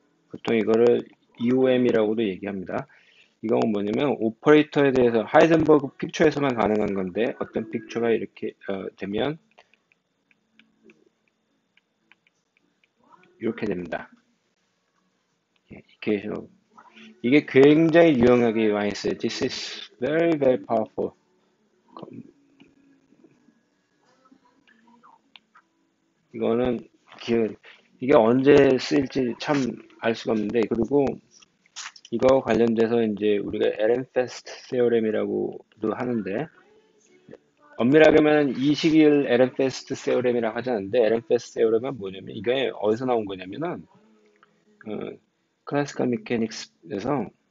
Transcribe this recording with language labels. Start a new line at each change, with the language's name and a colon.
Korean: 보통 이거를 EOM이라고도 얘기합니다. 이건 뭐냐면, 오퍼레이터에 대해서 하이젠버그 픽처에서만 가능한 건데, 어떤 픽처가 이렇게 되면 이렇게 됩니다. 이게 굉장히 유용하게 많이 쓰여요.
English: This is very, very powerful.
Korean: 이거는 이게 언제 쓰일지 참알 수가 없는데, 그리고 이거 관련돼서 이제 우리가 에렌페스트 세오렘이라고도 하는데, 엄밀하게 말하면 이시길 에렌페스트 세오렘이라고 하지 않는데, 에렌페스트 세오렘은 뭐냐면, 이게 어디서 나온 거냐면은, 클래시컬 미케닉스에서